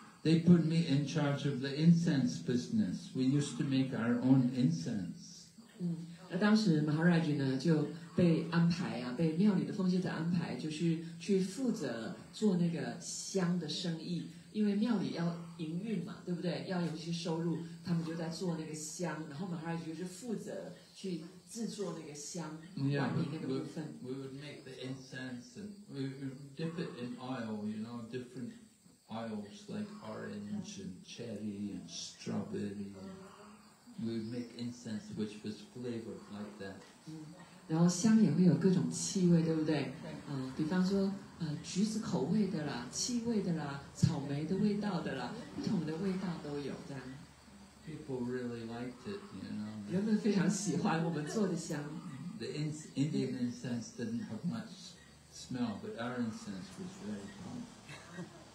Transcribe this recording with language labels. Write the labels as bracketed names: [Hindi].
[English] They put me in charge of the incense business. We used to make our own incense. [Chinese] 那当时 Maharaj 呢就被安排啊，被庙里的奉献者安排，就是去负责做那个香的生意。因为庙里要营运嘛，对不对？要有一些收入，他们就在做那个香。然后 Maharaj 就是负责去制作那个香， [English] yeah, [Chinese] 管理那个部分。 [English] We would make the incense and we would dip it in oil, you know, different. Oils like orange and cherry and strawberry. We would make incense which was flavored like that. [Chinese] 然后香也会有各种气味，对不对？比方说，橘子口味的啦，气味的啦，草莓的味道的啦，不同的味道都有这样。 [English] People really liked it, you know. [Chinese] 人们非常喜欢我们做的香。 [English] The Indian incense didn't have much smell, but our incense was very powerful.